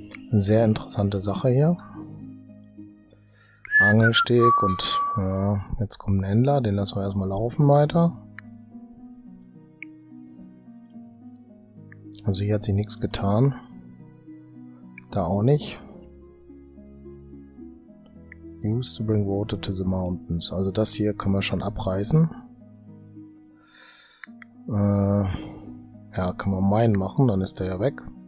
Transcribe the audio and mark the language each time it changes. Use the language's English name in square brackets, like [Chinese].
[German] Sehr interessante Sache hier. Angelsteg und ja, jetzt kommt ein Händler, den lassen wir erstmal laufen weiter. Also hier hat sich nichts getan. Da auch nicht. [English] Used to bring water to the mountains. [German] Also das hier können wir schon abreißen. Ja, kann man meinen machen, dann ist der ja weg.